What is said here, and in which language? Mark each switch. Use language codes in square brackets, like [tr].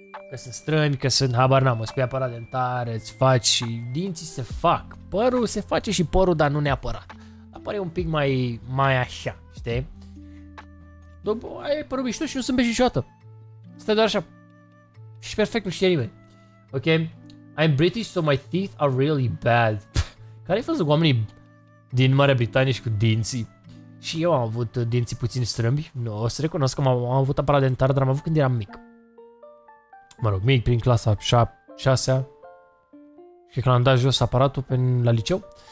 [ro] Că sunt strâmbi, că sunt habar n-am, îți pui aparat dentare, îți faci și dinții se fac. Părul se face și părul, dar nu neapărat. Apare un pic mai așa, știi? După, ai părul mișto și nu zâmbești niciodată. Stai doar așa. Și perfect, nu știe nimeni. Ok? [en] I'm British, so my teeth are really bad. [ro] Care-i fost cu oamenii din Marea Britanie și cu dinții? Și eu am avut dinții puțin strâmbi. Nu, o să recunosc că am avut aparat dentar, dar am avut când eram mic. Mă rog, mic, prin clasa 6-a. Și când am dat jos aparatul la liceu.